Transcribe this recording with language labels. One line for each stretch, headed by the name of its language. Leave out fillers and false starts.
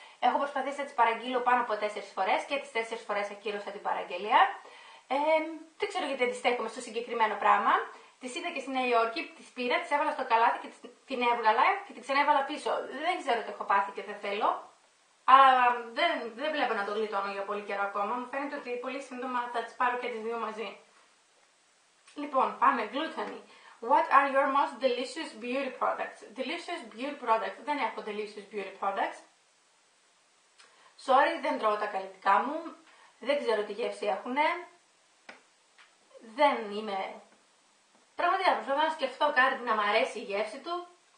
Greek: Έχω προσπαθήσει να τις παραγγείλω πάνω από 4 φορές και τις 4 φορές ακύρωσα την παραγγελία. Δεν ξέρω γιατί αντιστέκομαι στο συγκεκριμένο πράγμα. Τη είδα και στη Νέα Υόρκη, τη πήρα, τη έβαλα στο καλάθι και την έβγαλα και την ξανέβαλα πίσω. Δεν ξέρω τι έχω πάθει και δεν θέλω. Αλλά δεν βλέπω να το γλιτώνω για πολύ καιρό ακόμα. Μου φαίνεται ότι πολύ σύντομα θα τις πάρω και τις δύο μαζί. Λοιπόν, πάμε. Γλούτανη.
English: What are your most delicious beauty products? Delicious beauty products.
Greek: Δεν έχω
English: delicious beauty products.
Greek: Sorry, δεν τρώω τα καλλιτικά μου. Δεν ξέρω τι γεύση έχουνε. Δεν είμαι... Πραγματικά, προσπαθώ να σκεφτώ κάτι να μου αρέσει η γεύση του.